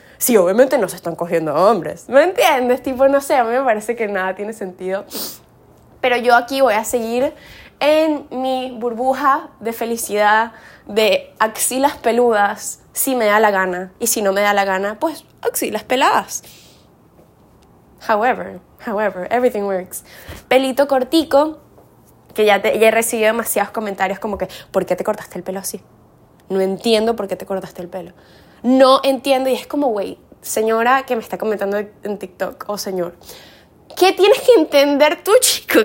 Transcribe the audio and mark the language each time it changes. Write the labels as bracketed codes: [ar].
[es] Sí, obviamente no se están cogiendo a hombres. ¿Me entiendes? Tipo, no sé, a mí me parece que nada tiene sentido. Pero yo aquí voy a seguir en mi burbuja de felicidad, de axilas peludas, si me da la gana. Y si no me da la gana, pues axilas peladas. [en] However, everything works. [es] Pelito cortico, que ya he recibido demasiados comentarios como que, ¿por qué te cortaste el pelo así? No entiendo por qué te cortaste el pelo. No entiendo. Y es como, wey, señora que me está comentando en TikTok, o señor, ¿qué tienes que entender tú, chico?